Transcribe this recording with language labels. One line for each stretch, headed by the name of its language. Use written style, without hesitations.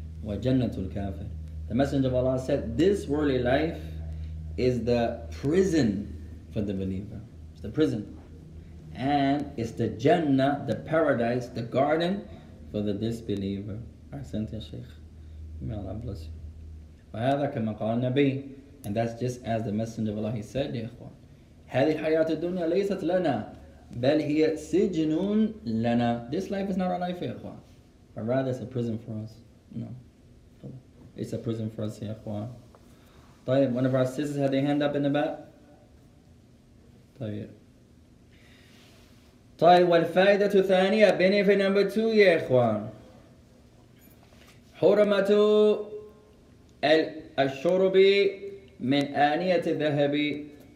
Arabic: وَجَنَّةُ الْكَافِرِ
English: The Messenger of Allah said, this worldly life is the prison for the believer. It's the prison. And it's the Jannah, the paradise, the garden for the disbeliever.
Arabic: أحسنت يا شيخ.
English: May Allah bless you.
Arabic: وهذا كما قال النبي.
English: And that's just as the Messenger of Allah he said,
Arabic: يا إخوان. هذه الحياة الدنيا ليست لنا بل هي سجن لنا.
English: This life is not our life,
Arabic: يا إخوان.
English: But rather it's a prison for us. No. It's a prison for us,
Arabic: يا إخوان. طيب,
English: one of our sisters had their hand up in the back.
Arabic: طيب والفائدة الثانية,
English: benefit number two,
Arabic: يا إخوان. حرمة الشرب من آنية الذهب.